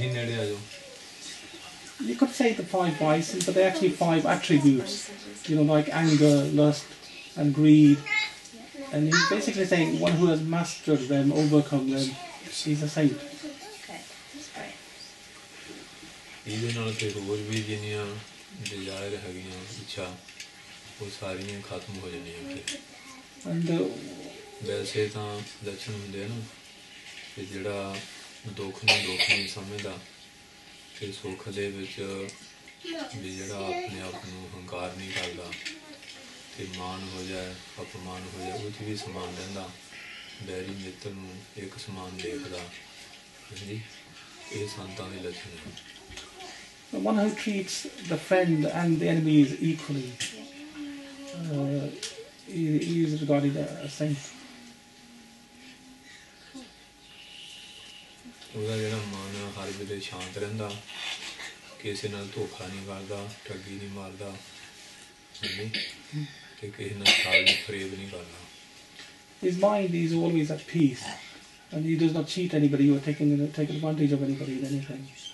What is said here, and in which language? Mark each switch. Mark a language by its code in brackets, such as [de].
[en] You could say the five vices, but they're actually five attributes. You know, like anger, lust, and greed. And he's basically saying one who has mastered them, overcome them, he's a saint. [pa] ਇਹਦੇ ਨਾਲ ਤੇ ਹੋਰ ਵੀ ਜਿੰਨੀਆਂ desire ਹੈਗੀਆਂ ਇੱਛਾ ਉਹ ਸਾਰੀਆਂ ਖਤਮ ਹੋ ਜਾਣੀਆਂ ਫਿਰ ਵੈਸੇ ਤਾਂ ਲੱਛਣ ਹੁੰਦੇ ਆ ਨਾ ਕਿ ਜਿਹੜਾ ਦੁੱਖ ਨੂੰ ਦੁੱਖ ਨਹੀਂ ਸਮਝਦਾ ਫਿਰ ਸੁੱਖ ਦੇ ਵਿੱਚ ਵੀ ਜਿਹੜਾ ਆਪਣੇ ਆਪ ਨੂੰ ਹੰਕਾਰ ਨਹੀਂ ਕਰਦਾ ਅਤੇ ਮਾਣ ਹੋ ਜਾਏ ਅਪਮਾਨ ਹੋ ਜਾਏ ਉਹ 'ਚ ਵੀ ਸਮਾਨ ਲੈਂਦਾ ਬੈਰੀ ਮਿੱਤਰ ਨੂੰ ਇੱਕ ਸਮਾਨ ਦੇਖਦਾ ਹਾਂਜੀ ਇਹ ਸੰਤਾਂ ਦੇ ਲੱਛਣ ਹੈ [en] The one who treats the friend and the enemy is equally is regarded as a saint. [pa] ਉਹਦਾ ਜਿਹੜਾ ਮਨ ਹਰ ਵੇਲੇ ਸ਼ਾਂਤ ਰਹਿੰਦਾ ਕਿਸੇ ਨਾਲ ਧੋਖਾ ਨਹੀਂ ਕਰਦਾ ਠੱਗੀ ਨਹੀਂ ਮਾਰਦਾ ਤੇ ਕਿਸੇ ਨਾਲ ਸਾਲ ਨਹੀਂ ਫਰੇਬ ਨਹੀਂ ਕਰਦਾ [en] His mind is always at peace and he does not cheat anybody or take advantage of anybody in anything.